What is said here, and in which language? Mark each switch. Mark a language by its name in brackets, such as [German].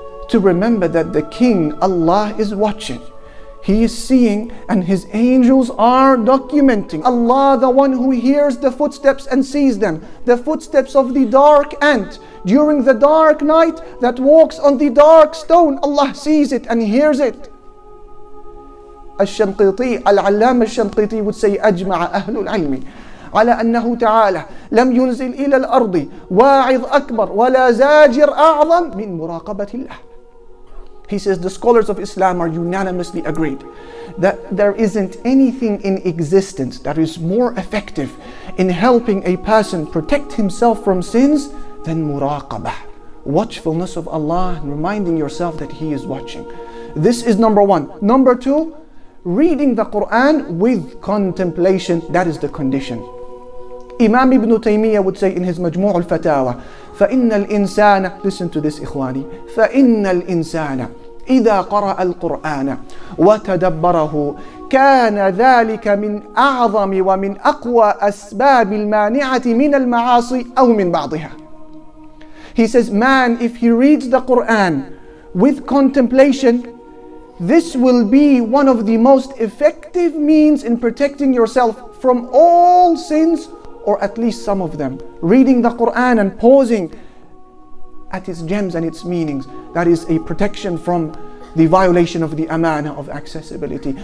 [English] To remember that the King, Allah, is watching. He is seeing and His angels are documenting. Allah, the one who hears the footsteps and sees them. The footsteps of the dark ant during the dark night that walks on the dark stone. Allah sees it and hears it. [Arabic] الشنقيطي العلامة الشنقيطي [English] would say [Arabic] أجمع أهل العلم على أنه تعالى لم ينزل إلى الأرض واعظ أكبر ولا زاجر أعظم من مراقبة الله. [English] He says the scholars of Islam are unanimously agreed that there isn't anything in existence that is more effective in helping a person protect himself from sins than muraqabah, watchfulness of Allah and reminding yourself that He is watching. This is number one. Number two, reading the Quran with contemplation, that is the condition. Imam Ibn Taymiyyah would say in his Majmu' al-Fatawa, [Arabic] فَإِنَّ الْإِنسَانَ, [English] listen to this, [Arabic] إخواني, فَإِنَّ الْإِنسَانَ إِذَا قَرَأَ الْقُرْآنَ وَتَدَبَّرَهُ كَانَ ذَلِكَ مِنْ أَعْظَمِ وَمِنْ أَقْوَى أَسْبَابِ الْمَانِعَةِ مِنَ الْمَعَاصِي أَوْ مِنْ بَعْضِهَا. [English] He says, man, if he reads the Quran with contemplation, this will be one of the most effective means in protecting yourself from all sins, or at least some of them. Reading the Quran and pausing at its gems and its meanings, that is a protection from the violation of the amana of accessibility.